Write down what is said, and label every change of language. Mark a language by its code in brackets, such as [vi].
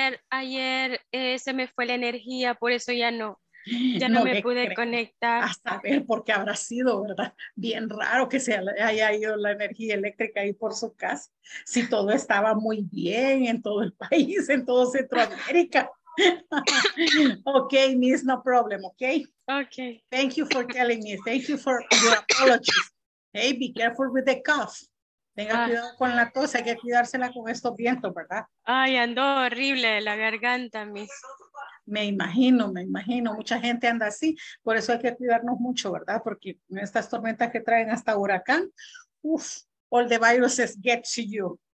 [es] Ayer se me fue la energía, por eso ya no me pude conectar. Hasta ver por qué habrá sido, ¿verdad? Bien raro que se haya ido la energía eléctrica ahí por su casa, si todo estaba muy bien en todo el país, en todo Centroamérica. [en] Okay, miss, no problem, okay? Okay. Thank you for telling me, thank you for your apologies. Hey, be careful with the cough. [es] Tenga cuidado con la tos, hay que cuidársela con estos vientos, ¿verdad? Ay, andó horrible la garganta, miss. Me imagino, mucha gente anda así, por eso hay que cuidarnos mucho, ¿verdad? Porque estas tormentas que traen hasta huracán, uff, [en] all the viruses get to you.